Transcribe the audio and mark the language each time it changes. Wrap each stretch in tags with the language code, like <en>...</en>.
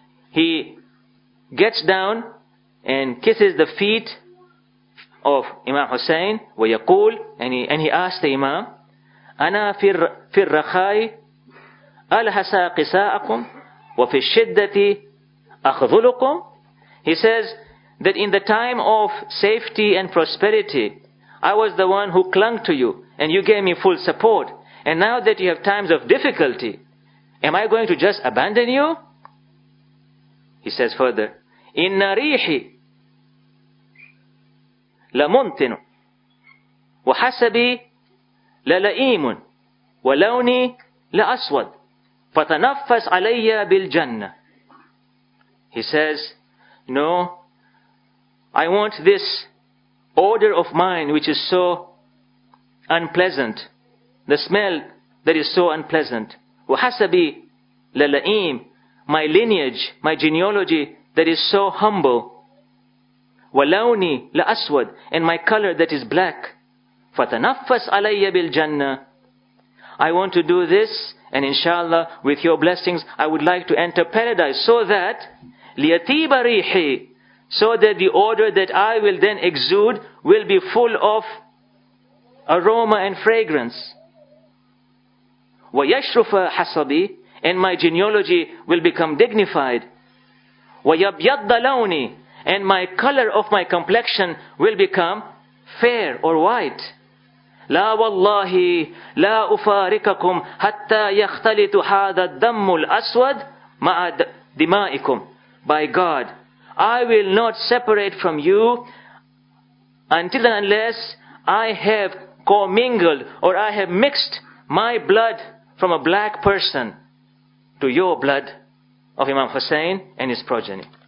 <en>He gets down and kisses the feet of Imam Hussein,</en> <ar>وَيَقُولُ,</ar> <en>and he asks the Imam,</en> <ar>أَنَا فِي الرَّخَاءِ أَلْحَسَى قِسَاءَكُمْ وَفِي الشِّدَّةِ أَخْذُلُكُمْ.</ar> <en>He says that in the time of safety and prosperity, I was the one who clung to you and you gave me full support. And now that you have times of difficulty, am I going to just abandon you? He says further,</en> <ar>إِنَّ رِيحِ لَمُنْتِنُ وَحَسَبِي لَلَئِيمٌ. ولوني لأسود فتنفس علي بالجنة.</ar> <en>He says, no, I want this odor of mine which is so unpleasant, the smell that is so unpleasant.</en> <ar>وحسبي للئيم,</ar> <en>my lineage, my genealogy that is so humble.</en> <ar>ولوني لأسود,</ar> <en>and my color that is black.</en> <ar>فتنفس علي بالجنة.</ar> <en>I want to do this, and inshallah, with your blessings, I would like to enter paradise so that</en> <ar>ليطيب ريحي,</ar> <en>so that the odor that I will then exude will be full of aroma and fragrance.</en> <ar>ويشرف حسبي,</ar> <en>and my genealogy will become dignified.</en> <ar>ويبيض لوني,</ar> <en>and my color of my complexion will become fair or white.</en> <ar>لا والله لا أفارقكم حتى يختلط هذا الدم الأسود مع دمائكم.</ar> <en>By God, I will not separate from you until and unless I have commingled or I have mixed my blood from a black person to your blood of Imam Hussein and his progeny.</en>